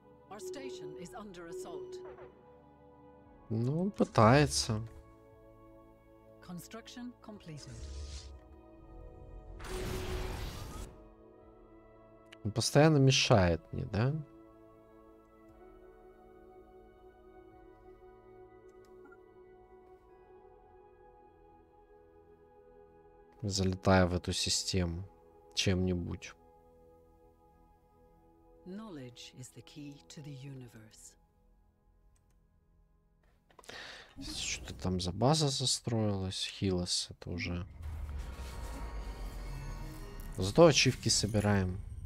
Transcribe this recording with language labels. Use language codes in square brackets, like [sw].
[en] Our station is under assault. [ru] Ну, он пытается. [en] Construction completed. [ru] Он постоянно мешает мне, да? Залетая в эту систему чем-нибудь. [en] Knowledge is the key to the universe. [ru] Что-то там за база застроилась. Хилос это уже. Зато ачивки собираем.